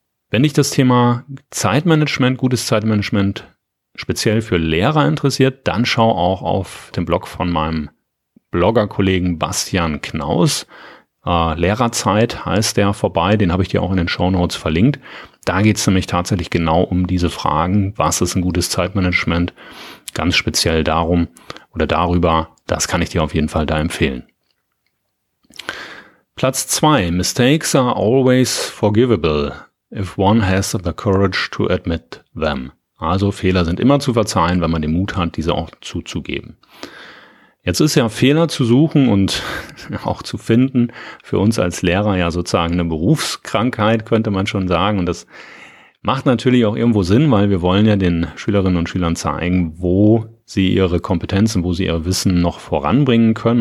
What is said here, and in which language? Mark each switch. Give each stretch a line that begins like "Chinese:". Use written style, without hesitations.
German: Wenn dich das Thema Zeitmanagement, gutes Zeitmanagement speziell für Lehrer interessiert, dann schau auch auf den Blog von meinem Bloggerkollegen Bastian Knaus. Lehrerzeit heißt der vorbei, den habe ich dir auch in den Shownotes verlinkt. Da geht es nämlich tatsächlich genau um diese Fragen, was ist ein gutes Zeitmanagement, ganz speziell darum oder darüber, das kann ich dir auf jeden Fall da empfehlen. Platz 2,
English: Mistakes are always forgivable, if one has the courage to admit them.
German: Also Fehler sind immer zu verzeihen, wenn man den Mut hat, diese auch zuzugeben. Jetzt ist ja Fehler zu suchen und auch zu finden für uns als Lehrer ja sozusagen eine Berufskrankheit, könnte man schon sagen. Und das macht natürlich auch irgendwo Sinn, weil wir wollen ja den Schülerinnen und Schülern zeigen, wo sie ihre Kompetenzen, wo sie ihr Wissen noch voranbringen können.